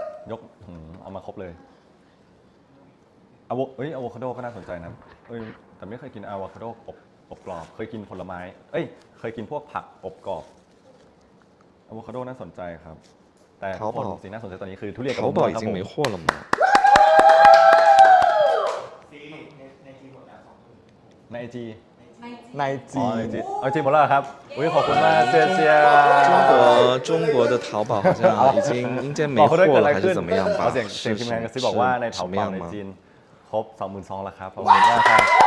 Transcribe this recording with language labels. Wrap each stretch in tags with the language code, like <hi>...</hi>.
<th>ยกเอามาครบเลยอะโวเอ้ยอะโวคาโดก็น่าสนใจนะเอ้ยแต่ไม่เคยกินอะโวคาโดอบกรอบเคยกินผลไม้เอ้ยเคยกินพวกผักอบกรอบอะโวคาโดน่าสนใจครับแต่ผลสิ่งน่าสนใจตอนนี้คือทุเรียนกับผลไม้ครับ ในจี ในจี ในจีเอาจีหมดแล้วครับอุ้ยขอบคุณมากเสียเสีย</th> <zh>中国的淘宝好像已经应该没货了还是怎么样吧？</zh> <th>เสียงทีมงานก็ซื้อบอกว่าใน淘宝ในจีครบ22,000แล้วครับขอบคุณมากครับ</th>